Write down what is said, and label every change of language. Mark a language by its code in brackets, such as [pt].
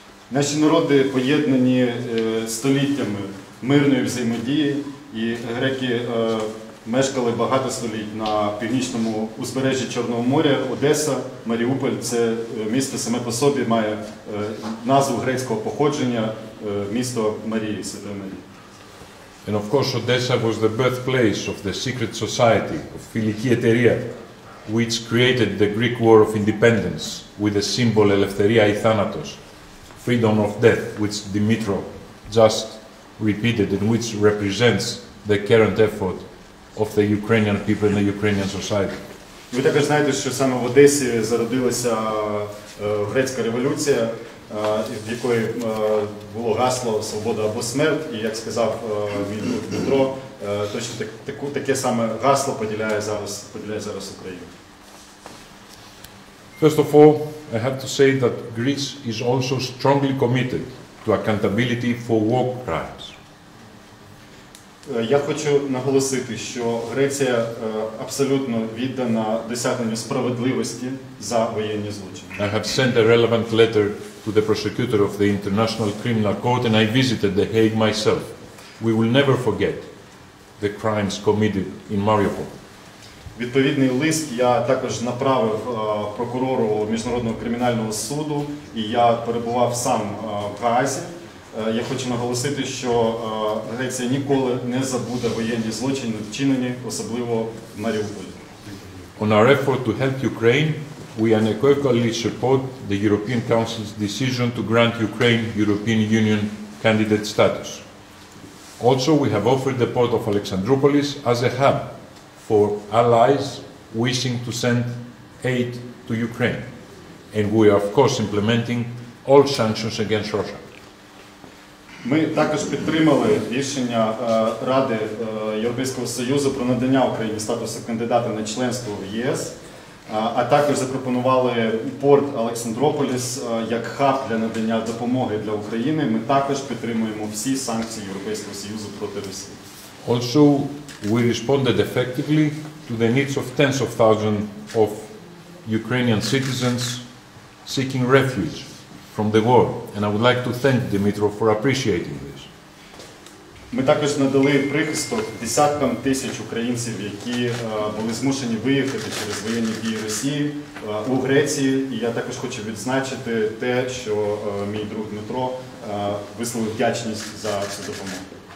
[uk] Наші народи поєднані століттями мирної взаємодії, і греки мешкали багато століть на північному узбережжі Чорного моря. Одеса, Маріуполь – це місто саме по собі має назву грецького походження – місто Марії, Святої Марії. [en] And of course, Odessa was the birthplace of the secret society of Filikieteria, which created the Greek War of Independence with the symbol [el] Eleftheria I Thanatos, [en] freedom of death, which Dimitro just repeated and which represents the current effort of the Ukrainian people and the Ukrainian society. [uk] Ви також знаєте, що саме в Одесі зародилася грецька революція, в якої було гасло «Свобода або смерть», і, як сказав мій друг Дмитро, точно таке саме гасло поділяє зараз Україну. [en] First of all, I have to say that Greece is also strongly committed to accountability for war crimes. [uk] Я хочу наголосити, що Греція абсолютно віддана досягненню справедливості за воєнні злочини. [en] I have sent a relevant letter to the prosecutor of the International Criminal Court and I visited The Hague myself. We will never forget the crimes committed in Mariupol. [uk] Відповідний лист я також направив прокурору Міжнародного кримінального суду, і я перебував сам в Гаазі. Я хочу наголосити, що Греція ніколи не забуде воєнні злочини, вчинені особливо в Маріуполі. [en] On our effort to help Ukraine, we unequivocally support the European Council's decision to grant Ukraine European Union candidate status. Also, we have offered the port of Alexandroupolis as a hub for allies wishing to send aid to Ukraine. And we are, of course, implementing all sanctions against Russia. [uk] Ми також підтримали рішення Ради Європейського Союзу про надання Україні статусу кандидата на членство в ЄС, а також запропонували порт Олександрополіс як хаб для надання допомоги для України. Ми також підтримуємо всі санкції Європейського Союзу проти Росії. [en] Also, we responded effectively to the needs of tens of thousands of Ukrainian citizens seeking refuge from the war, and I would like to thank Dimitro for appreciating this. [uk] Ми також надали прихисток десяткам тисяч українців, які були змушені виїхати через воєнні дії Росії у Греції, і я також хочу відзначити те, що мій друг Дмитро висловив вдячність за цю допомогу.